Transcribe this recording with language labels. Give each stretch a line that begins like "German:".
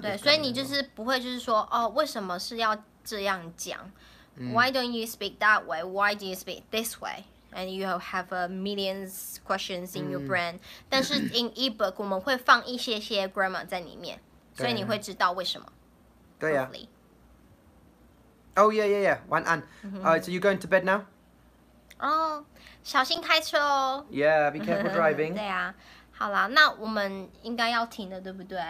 Chinese: 对，所以你就是不会就是说哦，为什么是要这样讲？
English: Why don't you speak that way? Why do you speak this way? And you have millions questions in your brain.
Chinese: 但是
English: in ebook
Chinese: 我们会放一些些 grammar 在里面，所以你会知道为什么。对呀、啊。Oh yeah, yeah, yeah.
English: One and, so you're going to bed now?
Chinese: Oh, 小心开车哦。
English: Yeah, be careful driving.
Chinese: 对呀、啊，好啦，那我们应该要停了，对不对